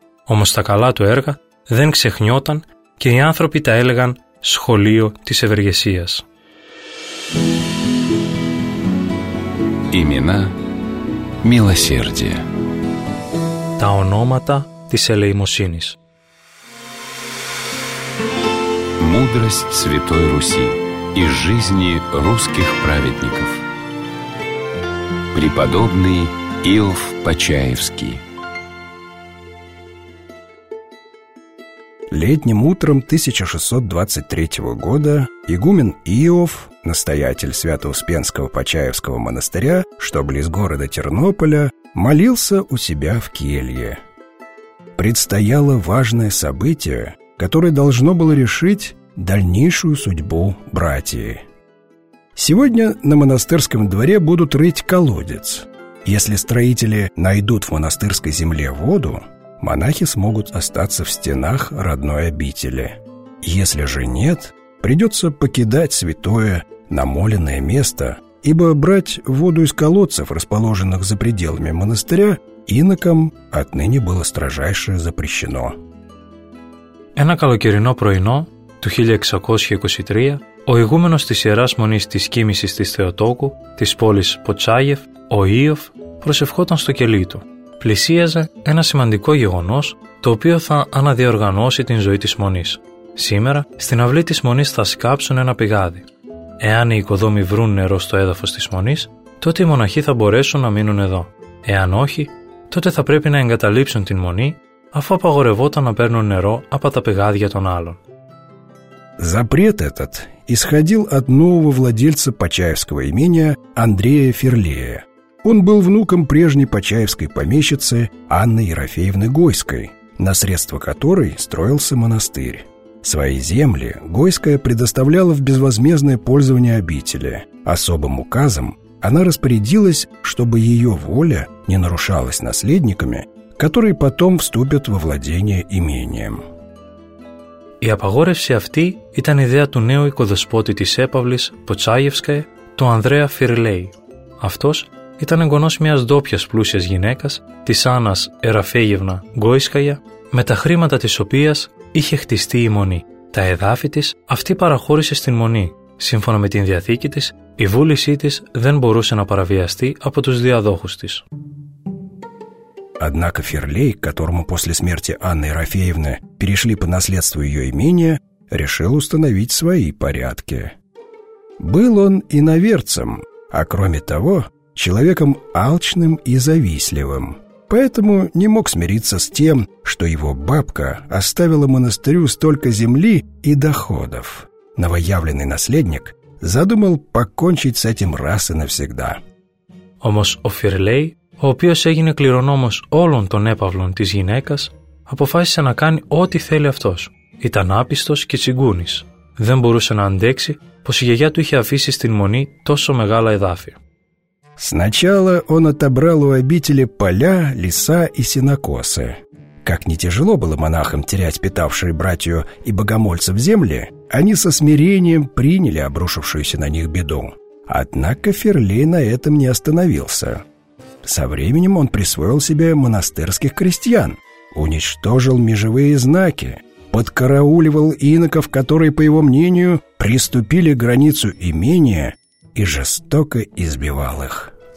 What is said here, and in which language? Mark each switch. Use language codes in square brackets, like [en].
[el] Όμως τα καλά του έργα δεν ξεχνιόταν και οι άνθρωποι τα έλεγαν «σχολείο της ευεργεσίας». [ru] Имена милосердия. [el] Τα ονόματα της ελεημοσύνης. [ru] Мудрость Святой Руси и жизни русских праведников. Преподобный Иов Почаевский. Летним утром 1623 года игумен Иов, настоятель Свято-Успенского Почаевского монастыря, что близ города Тернополя, молился у себя в келье. Предстояло важное событие, которое должно было решить дальнейшую судьбу братьев. Сегодня на монастырском дворе будут рыть колодец. Если строители найдут в монастырской земле воду, монахи смогут остаться в стенах родной обители. Если же нет, придется покидать святое намоленное место, ибо брать воду из колодцев, расположенных за пределами монастыря, инокам отныне было строжайше запрещено. [el] Ένα καλοκαιρινό πρωινό του 1623, ο ηγούμενος της Ιεράς Μονής της Κοίμησης της Θεοτόκου, της πόλης Ποτσάγεφ, ο Ίωφ, προσευχόταν στο κελί του. Πλησίαζε ένα σημαντικό γεγονός, το οποίο θα αναδιοργανώσει την ζωή της Μονής. Σήμερα, στην αυλή της Μονής θα σκάψουν ένα πηγάδι. Εάν οι οικοδόμοι βρουν νερό στο έδαφος της Μονής, τότε οι μοναχοί θα μπορέσουν να μείνουν εδώ. Εάν όχι, τότε θα πρέπει να εγκαταλείψουν την Μονή, αφού απαγορευόταν να παίρνουν νερό από τα πηγάδια των άλλων. [ru] Запрет этот исходил от нового владельца Почаевского имения Андрея Ферлея. Он был внуком прежней почаевской помещицы Анны Ерофеевны Гойской, на средства которой строился монастырь. Свои земли Гойская предоставляла в безвозмездное пользование обители. Особым указом она распорядилась, чтобы ее воля не нарушалась наследниками, которые потом вступят во владение имением. [el] Η απαγόρευση αυτή ήταν ιδέα του νέου οικοδεσπότη της έπαυλης Ποτσάγευσκαε, του Ανδρέα Φιρλέη. Αυτός ήταν εγγονός μιας ντόπιας πλούσιας γυναίκας, της Άννας Εραφέγευνα Γκόισκαγια, με τα χρήματα της οποίας είχε χτιστεί η μονή. Τα εδάφη της αυτή παραχώρησε στην μονή. Σύμφωνα με την διαθήκη της, η βούλησή της δεν μπορούσε να παραβιαστεί από τους διαδόχους της. [ru] Однако Ферлей, которому после смерти Анны Ерофеевны перешли по наследству ее имение, решил установить свои порядки. Был он иноверцем, а кроме того, человеком алчным и завистливым. Поэтому не мог смириться с тем, что его бабка оставила монастырю столько земли и доходов. Новоявленный наследник задумал покончить с этим раз и навсегда. [el] Όμως ο Ферлей, ο οποίος έγινε κληρονόμος όλων των έπαυλων της γυναίκας, αποφάσισε να κάνει ό,τι θέλει αυτός. Ήταν άπιστος και τσιγκούνης. Δεν μπορούσε να αντέξει πως η γιαγιά του είχε αφήσει στην μονή τόσο μεγάλα εδάφη. [ru] Сначала он отобрал у обители поля, леса и сенокосы. Как не тяжело было монахам терять питавшие братью и богомольцев земли, они со смирением приняли обрушившуюся на них беду. Однако Ферлей на этом не остановился. Со временем он присвоил себе монастырских крестьян, уничтожил межевые знаки, подкарауливал иноков, которые, по его мнению, приступили к границу имения и жестоко избивал их.